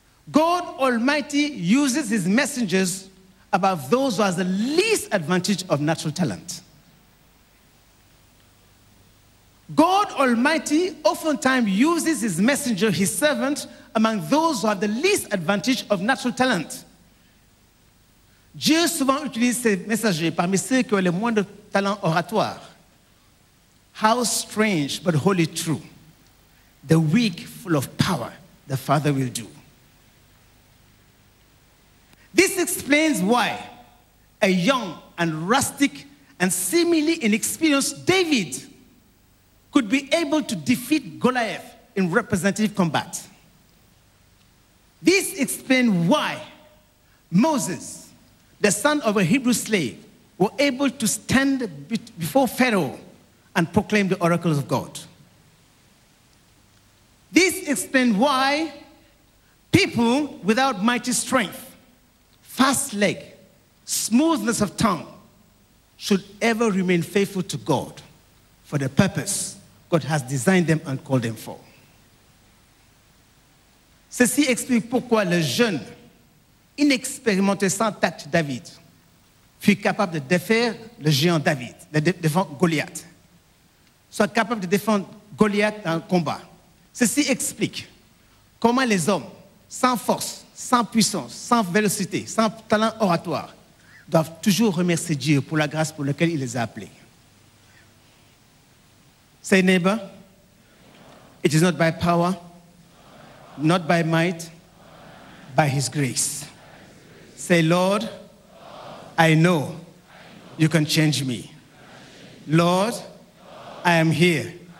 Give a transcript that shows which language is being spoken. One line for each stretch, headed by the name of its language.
English: God Almighty uses his messengers above those who have the least advantage of natural talent. God Almighty oftentimes uses his messenger, his servant, among those who have the least advantage of natural talent.
French: Dieu souvent utilise ses messagers parmi ceux qui ont le moins de talent oratoire.
English: How strange but wholly true. The weak full of power, the Father will do. This explains why a young and rustic and seemingly inexperienced David could be able to defeat Goliath in representative combat. This explains why Moses, the son of a Hebrew slave, was able to stand before Pharaoh and proclaim the oracles of God. This explains why people without mighty strength, fast leg, smoothness of tongue, should ever remain faithful to God for the purpose God has designed them and called them for.
French: Ceci explique pourquoi le jeune, inexpérimenté, sans tact David fut capable de défaire le géant David, de défendre Goliath, soit capable de défendre Goliath dans le combat. Ceci explique comment les hommes, sans force, sans puissance, sans vélocité, sans talent oratoire, doivent toujours remercier Dieu pour la grâce pour laquelle il les a appelés.
English: Say, neighbor, it is not by power, not by might, by his grace. Say, Lord, I know you can change me. Lord, I am here.